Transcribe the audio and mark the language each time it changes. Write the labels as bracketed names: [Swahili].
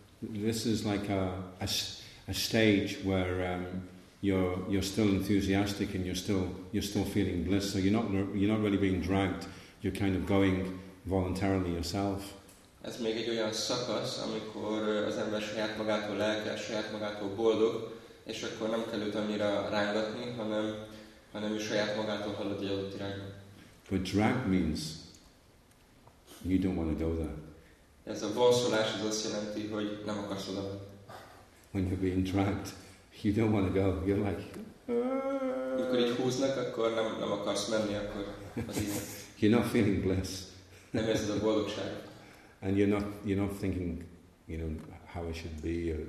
[English] This is like a stage where you're still enthusiastic and you're still feeling bliss. So you're not really being dragged. You're kind of going voluntarily yourself. [Hungarian] Ez még egy olyan szakasz, amikor az ember saját magától lelkes, saját magától boldog, és akkor nem kell őt annyira rángatni, hanem ő saját magától halad egy adott irányba. [English] But drag means you don't want to go there. [Hungarian] Ez a vonszolás az azt jelenti, hogy nem akarsz oda. [English] When you're being dragged, you don't want to go. You're like... [Hungarian] Mikor így húznak, akkor nem akarsz menni, akkor az így. [English] You're not feeling bliss. [Hungarian] Nem érzed a boldogság. [English] And you're not thinking, you know, how it should be.